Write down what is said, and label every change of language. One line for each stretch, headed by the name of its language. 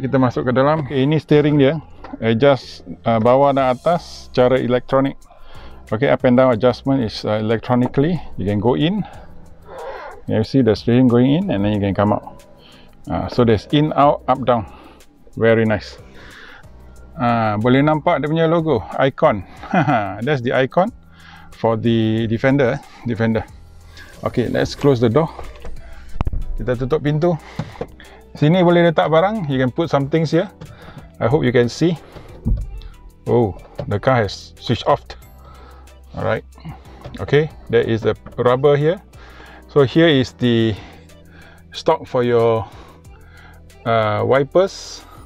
Malay: Kita masuk ke dalam. Okay, ini steering dia. Adjust bawah dan atas secara elektronik.
English: Okay, up and down adjustment is electronically. You can go in. You see the steering going in and then you can come out. So there's in, out, up, down. Very nice.
Malay: Boleh nampak dia punya logo, icon.
English: That's the icon for the Defender. Okay, let's close the door.
Malay: Kita tutup pintu. Sini boleh letak barang.
English: You can put some things here. I hope you can see. Oh, the car has switched off. Alright. Okay, there is the rubber here. So here is the stock for your wipers.